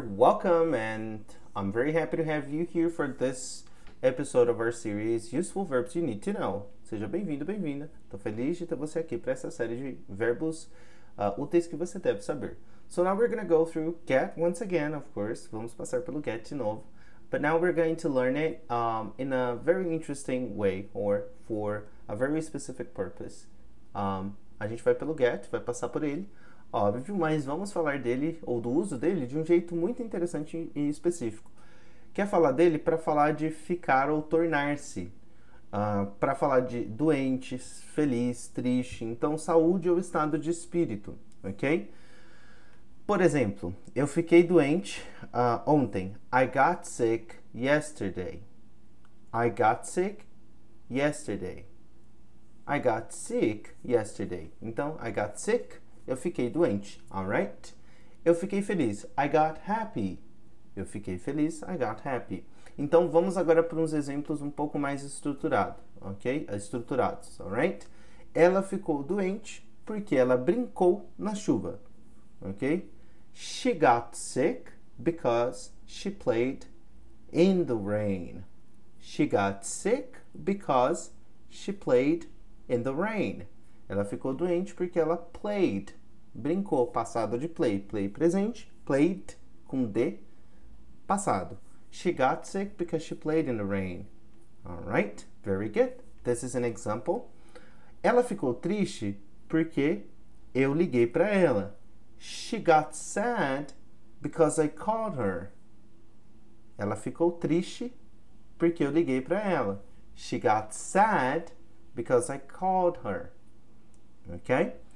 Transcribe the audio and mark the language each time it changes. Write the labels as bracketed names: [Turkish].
[English] Welcome, and I'm very happy to have you here for this episode of our series, Useful Verbs You Need to Know. [Portuguese] Seja bem-vindo, bem-vinda. Tô feliz de ter você aqui para essa série de verbos úteis que você deve saber. [English] So now we're going to go through get once again, of course. [Portuguese] Vamos passar pelo get de novo. [English] But now we're going to learn it in a very interesting way or for a very specific purpose. [Portuguese] A gente vai pelo get, vai passar por ele. Óbvio, mas vamos falar dele, ou do uso dele, de um jeito muito interessante e específico. Quer falar dele? Para falar de ficar ou tornar-se. Para falar de doente, feliz, triste, então saúde ou estado de espírito, ok? Por exemplo, eu fiquei doente ontem. [English] I got sick yesterday. I got sick yesterday. I got sick yesterday. [Portuguese] Então, [English] I got sick. [Portuguese] Eu fiquei doente, alright? Eu fiquei feliz, [English] I got happy. [Portuguese] Eu fiquei feliz, [English] I got happy. [Portuguese] Então vamos agora para uns exemplos um pouco mais estruturados, ok? Estruturados, alright? Ela ficou doente porque ela brincou na chuva, ok? [English] She got sick because she played in the rain. She got sick because she played in the rain. [Portuguese] Ela ficou doente porque ela played, brincou, passado de play, play presente, played com D, passado. [English] She got sick because she played in the rain. Alright, very good. This is an example. [Portuguese] Ela ficou triste porque eu liguei para ela. [English] She got sad because I called her. [Portuguese] Ela ficou triste porque eu liguei para ela. [English] She got sad because I called her. Ok?